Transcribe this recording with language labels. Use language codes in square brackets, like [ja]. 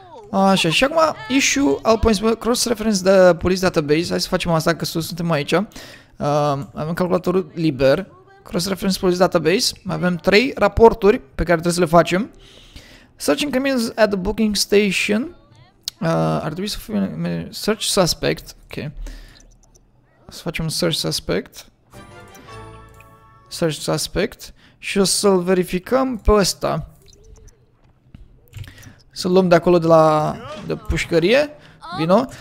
[ro] Așa, și acum [en] issue all points cross-reference the police database. [ro] Hai să facem asta că suntem aici. Avem calculatorul liber. [en] Cross-reference police database. [ro] Mai avem 3 raporturi pe care trebuie să le facem. [en] Search incriminates at the booking station. [ro] Ar trebui să fie [en] search suspect. [ro] Ok. Să facem search suspect. [en] Search suspect. [ro] Și o să-l verificăm pe ăsta. Să-l luăm de acolo de la de pușcărie. Vino.